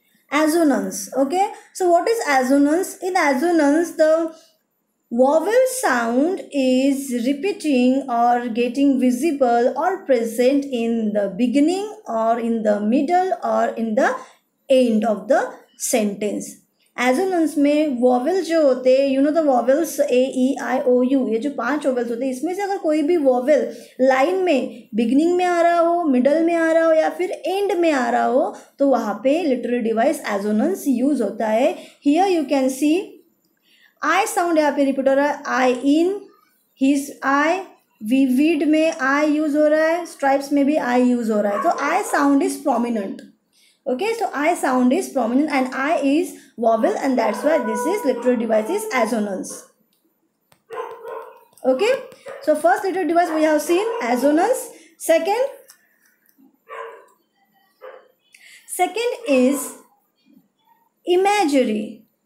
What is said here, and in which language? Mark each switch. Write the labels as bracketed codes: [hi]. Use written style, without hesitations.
[en] Assonance. Okay, so what is assonance? In assonance, the vowel sound is repeating or getting visible or present in the beginning or in the middle or in the end of the sentence. [hi] Assonance में vowel जो होते हैं, [en] you know the vowels A E I O U, [hi] ये जो पांच vowels होते हैं, इसमें से अगर कोई भी वॉवल लाइन में बिगनिंग में आ रहा हो, मिडल में आ रहा हो या फिर एंड में आ रहा हो, तो वहाँ पे लिटरेरी डिवाइस एजोनेंस यूज होता है. [en] here you can see I sound [hi] यहाँ पे रिपीट हो रहा है, आई in his I, we weed में आई यूज हो रहा है, स्ट्राइप्स में भी आई यूज हो रहा है, [en] तो I sound is prominent. Okay, so I sound is prominent and I is vowel, and that's why this is literary device is assonance. Okay, so first literary device we have seen assonance. Second is imagery.